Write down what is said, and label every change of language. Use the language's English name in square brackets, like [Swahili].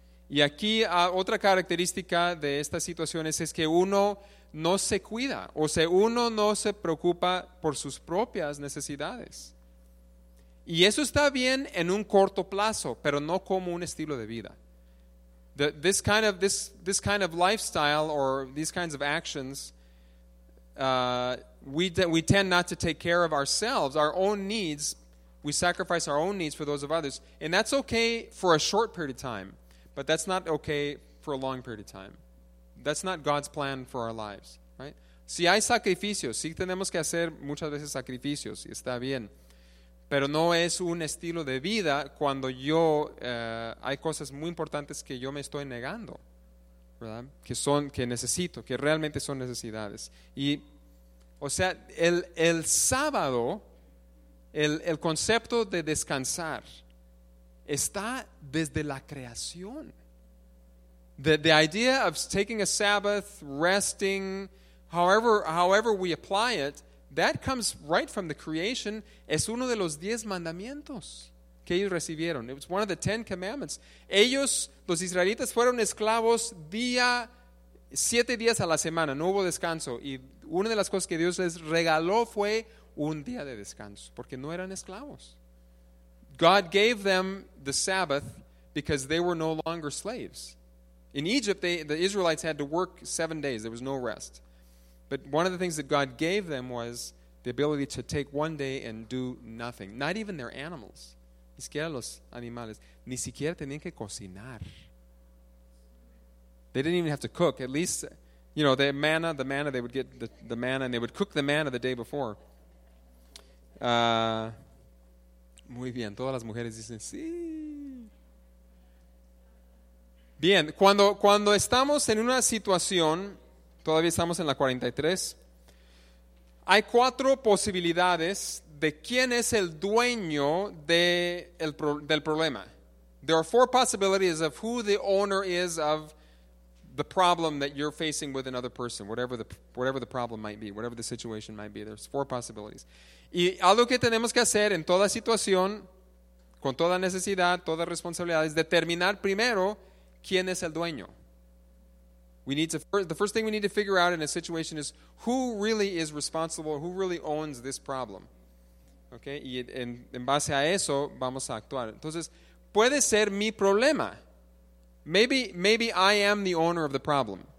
[Spanish] Y aquí otra característica de estas situaciones es que uno no se cuida, o sea, uno no se preocupa por sus propias necesidades. Y eso está bien en un corto plazo, pero no como un estilo de vida. [English] This kind of lifestyle or these kinds of actions, we tend not to take care of ourselves, our own needs. We sacrifice our own needs for those of others. And that's okay for a short period of time, but that's not okay for a long period of time. That's not God's plan for our lives, right? [Spanish] Si hay sacrificios, si tenemos que hacer muchas veces sacrificios, está bien. Pero no es un estilo de vida cuando yo, hay cosas muy importantes que yo me estoy negando, ¿verdad? Que necesito, que realmente son necesidades. Y, o sea, el sábado, el concepto de descansar está desde la creación. [English] The idea of taking a Sabbath, resting, however we apply it, that comes right from the creation. [Spanish] Es uno de los 10 mandamientos que ellos recibieron. [English] It was one of the 10 commandments. [Spanish] Ellos, los israelitas, fueron esclavos día, 7 días a la semana. No hubo descanso. Y una de las cosas que Dios les regaló fue un día de descanso, porque no eran esclavos. [English] God gave them the Sabbath because they were no longer slaves. In Egypt, the Israelites had to work 7 days. There was no rest. But one of the things that God gave them was the ability to take one day and do nothing. Not even their animals. [Spanish] Ni siquiera los animales. Ni siquiera tenían que cocinar. [English] They didn't even have to cook. At least, you know, the manna, they would get the manna, and they would cook the manna the day before. [Spanish] Muy bien. Todas las mujeres dicen, sí. Bien. Cuando estamos en una situación, todavía estamos en la 43, hay cuatro posibilidades de quién es el dueño del problema. [English] There are four possibilities of who the owner is of the problem that you're facing with another person, whatever the problem might be, whatever the situation might be. There's four possibilities. [Spanish] Y algo que tenemos que hacer en toda situación, con toda necesidad, toda responsabilidad, es determinar primero quién es el dueño. [English] The first thing we need to figure out in a situation is who really is responsible, who really owns this problem. Okay? [Spanish] Y en base a eso, vamos a actuar. Entonces, puede ser mi problema. [English] Maybe I am the owner of the problem.